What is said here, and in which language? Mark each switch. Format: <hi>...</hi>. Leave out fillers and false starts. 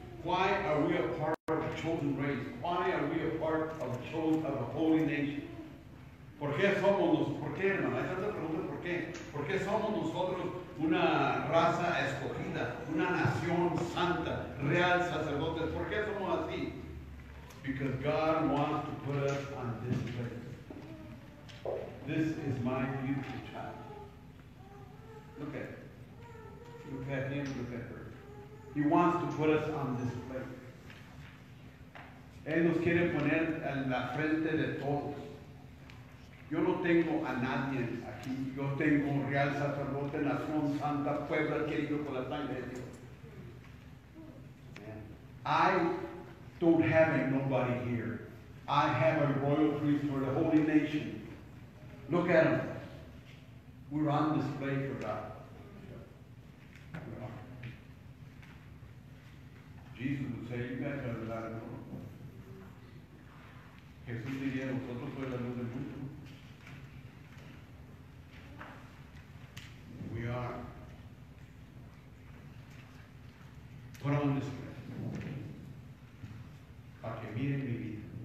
<en>Why are we a part of a chosen race? Why are we a part of a chosen, of a holy nation?</en> <es>¿Por qué somos nosotros? ¿Por qué, hermano? Esa es la pregunta, ¿por qué? ¿Por qué somos nosotros una raza escogida, una nación santa, real sacerdotes? ¿Por qué somos así?</es> <en>Because God wants to put us on this place. This is my future child. Look at him. Look at him, look at her. He wants to put us on this place.</en> <es>Él nos quiere poner en la frente de todos. Yo no tengo a nadie aquí. Yo tengo un real sacerdote, nación santa, pueblo adquirido por la sangre de Dios.</es> <en>I don't have a nobody here. I have a royal priest for the holy nation. Look at him. We're on display for God. Jesus would say, you guys are the light of the world.</en> <es>Jesús diría, nosotros somos la luz del mundo.</es> <en>We are. Put on this place.</en> <es>Para que miren mi vida.</es>